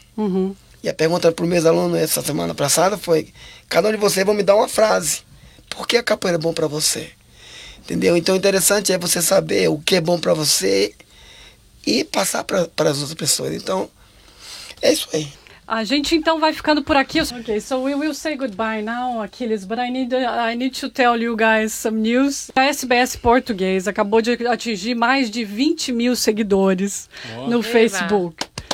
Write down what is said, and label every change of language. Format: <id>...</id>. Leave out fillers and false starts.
<pt>Uhum. E a pergunta para os meus alunos essa semana passada foi: cada um de vocês vai me dar uma frase. Por que a capoeira é bom para você? Entendeu? Então o interessante é você saber o que é bom para você e passar para as outras pessoas. Então, é isso aí. A gente então vai ficando por aqui.</pt> <en>Ok, so we will say goodbye now, Aquiles, but I need to tell you guys some news.</en> <pt>A SBS Português acabou de atingir mais de 20 mil seguidores no Facebook.</pt>